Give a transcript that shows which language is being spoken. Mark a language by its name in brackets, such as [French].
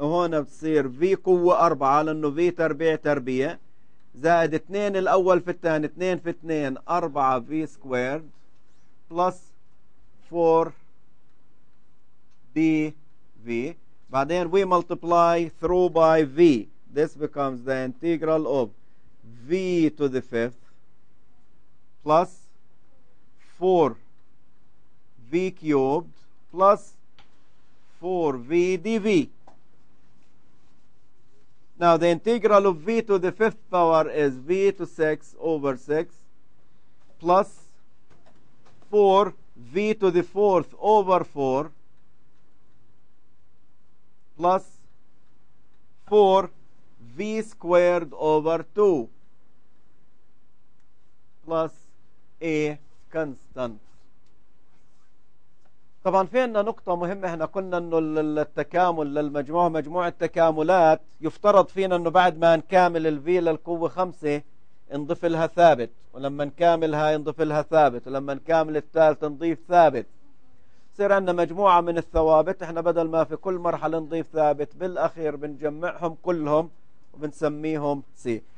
[Arabic] هون بتصير في قوة أربعة لأنه في تربيع تربيع زائد اثنين الأول في الثاني اثنين في اثنين أربعة [English] في squared plus four d v بعدين we multiply through by v this becomes the integral of v to the fifth plus 4 v cubed plus 4 v dv. Now the integral of v to the fifth power is v to 6 over 6 plus 4 v to the fourth over 4 plus 4 v squared over 2 plus a constant. [Arabic] طبعا في عندنا نقطة مهمة. احنا قلنا انه التكامل للمجموعة مجموعة تكاملات يفترض فينا انه بعد ما نكامل ال v للقوة 5 نضيف لها ثابت، ولما نكاملها نضيف لها ثابت، ولما نكامل الثالث نضيف ثابت. صير عندنا مجموعة من الثوابت، احنا بدل ما في كل مرحلة نضيف ثابت بالأخير بنجمعهم كلهم وبنسميهم سي.